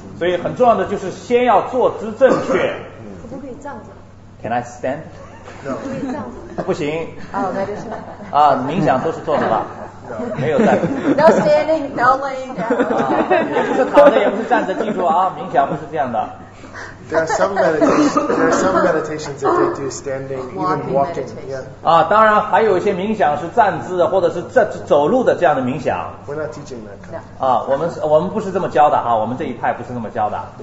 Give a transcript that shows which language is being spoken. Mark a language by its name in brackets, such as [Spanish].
[Chinese] 所以很重要的就是先要坐姿正确。可不可以站着 [English] ？Can I stand? No. [Chinese] 可不可以站着？不行。 [English] Oh, that is [Chinese] not. 啊，冥想都是坐着吧？ [English] No. [Chinese] 没有站。 [English] No standing, no laying down. [Chinese] 也不是躺着，也不是站着，记住啊，冥想不是这样的。 [English] There are some meditations that they do standing, even walking. Yeah. [Chinese] 啊，当然还有一些冥想是站姿或者是走路的这样的冥想。 [English] We're not teaching that. No. [Chinese] 啊，我们不是这么教的哈，我们这一派不是这么教的。